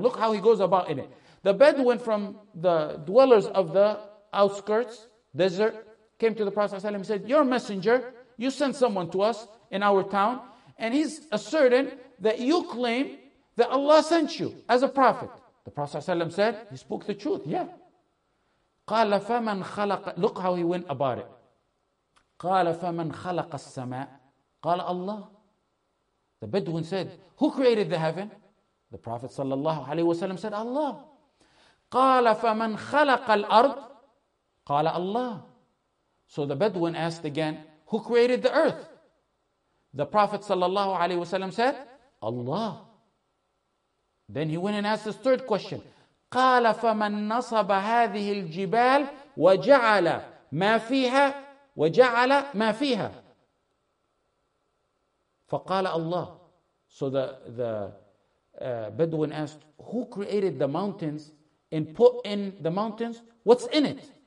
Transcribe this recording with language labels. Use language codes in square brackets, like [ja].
[en] Look how he goes about in it. The Bedouin from the dwellers of the outskirts, desert, came to the Prophet ﷺ and said, your messenger, you sent someone to us in our town, and he's asserting that you claim that Allah sent you as a prophet. The Prophet ﷺ said, he spoke the truth, yeah. [ar] قَالَ فَمَنْ خَلَقَ [en] Look how he went about it. [ar] قَالَ فَمَنْ خَلَقَ السَّمَاءِ قَالَ Allah. [en] The Bedouin said, who created the heaven? The Prophet sallallahu alayhi wa sallam said, Allah. [ar] قَالَ فَمَنْ خَلَقَ الْأَرْضِ قَالَ Allah. [en] So the Bedouin asked again, who created the earth? The Prophet sallallahu alayhi wa sallam said, Allah. Then he went and asked his third question. [ar] قَالَ فَمَنْ نَصَبَ هَذِهِ الْجِبَالِ وَجَعَلَ مَا فِيهَا وَجَعَلَ مَا فِيهَا فَقَالَ اللَّهُ [en] So the Bedouin asked, who created the mountains and put in the mountains? What's in it?